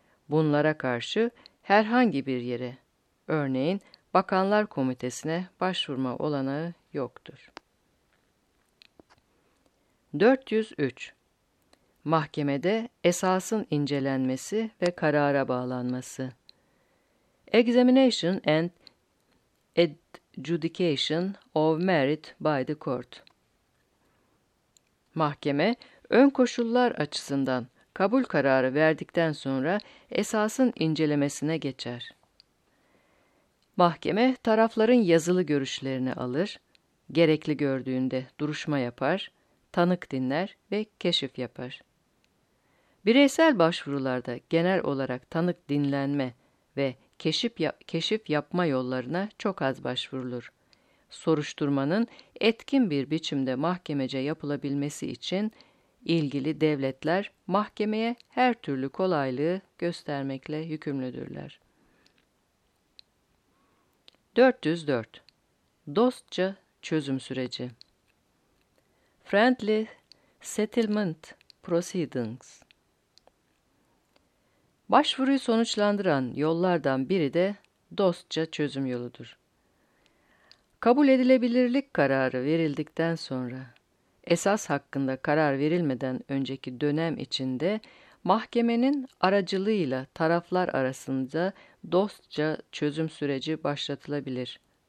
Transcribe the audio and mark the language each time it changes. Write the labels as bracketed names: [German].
[Turkish] Bunlara karşı herhangi bir yere, örneğin Bakanlar Komitesi'ne başvurma olanağı yoktur. 403. Mahkemede esasın incelenmesi ve karara bağlanması. [English] Examination and adjudication of merit by the court. [Turkish] Mahkeme, ön koşullar açısından kabul kararı verdikten sonra esasın incelemesine geçer. Mahkeme, tarafların yazılı görüşlerini alır, gerekli gördüğünde duruşma yapar, tanık dinler ve keşif yapar. Bireysel başvurularda genel olarak tanık dinlenme ve keşif yapma yollarına çok az başvurulur. Soruşturmanın etkin bir biçimde mahkemece yapılabilmesi için ilgili devletler mahkemeye her türlü kolaylığı göstermekle yükümlüdürler. 404. Dostça çözüm süreci. [English] Friendly settlement proceedings. [Turkish] Başvuruyu sonuçlandıran yollardan biri de dostça çözüm yoludur. Kabul edilebilirlik kararı verildikten sonra, esas hakkında karar verilmeden önceki dönem içinde mahkemenin aracılığıyla taraflar arasında dostça çözüm süreci başlatılabilir.